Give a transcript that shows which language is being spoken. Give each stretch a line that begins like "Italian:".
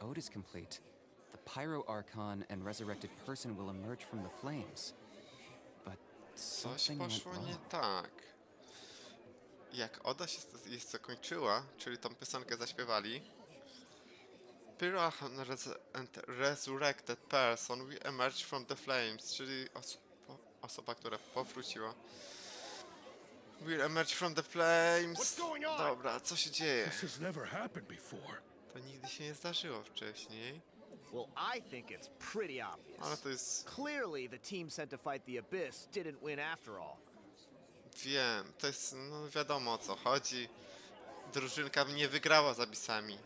English: ode is complete, the pyro archon and resurrected person will emerge from the flames. But something went wrong.
Polish: Nie tak. Jak oda się zakończyła, czyli tą piosenkę zaśpiewali.
English: Pyroach and resurrected person, we emerge from the flames,
Polish: czyli osoba, która powróciła.
English: We emerge from the flames.
Polish: Dobra, co się dzieje?
English: This has never happened before.
Polish: To nigdy się nie zdarzyło wcześniej.
English: Well, I think it's pretty obvious.
Polish: Ale to jest...
English: Clearly the team sent to fight the Abyss didn't win after all.
Polish: Wiem, to jest, no wiadomo o co chodzi. Drużynka nie wygrała z Abyssami.